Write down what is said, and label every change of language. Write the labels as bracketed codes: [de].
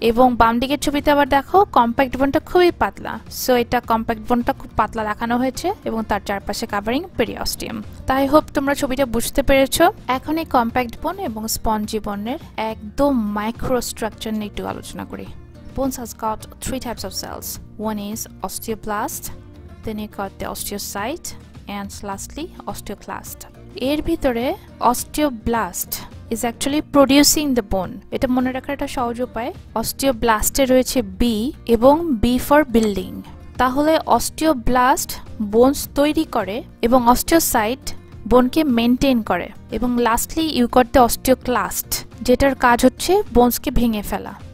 [bn] এবং বাম দিকের ছবিতে আবার দেখো কম্প্যাক্ট বোনটা খুবই পাতলা, সো এটা কম্প্যাক্ট বোনটা খুব পাতলা দেখানো হয়েছে এবং তার চারপাশে কাভারিং পেরিওস্টিয়াম। তাই হোপ তোমরা ছবিটা বুঝতে পেরেছো। এখন এই কম্প্যাক্ট বোন এবং স্পঞ্জি বোনের একদম মাইক্রোস্ট্রাকচার নিয়ে একটু আলোচনা করি। [en] Bones has got three types of cells. One is osteoblast, then you got the osteocyte, and lastly osteoclast. [bn] এর ভিতরে [en] osteoblast is actually producing the bone. [bn] এটা মনে রাখার একটা সহজ উপায়, osteoblast এ রয়েছে B এবং B for building. তাহলে osteoblast bones তৈরি করে এবং osteocyte বোনকে মেনটেন করে, এবং [en] lastly you got the [bn] osteoclast যেটার কাজ হচ্ছে বোনসকে ভেঙে ফেলা।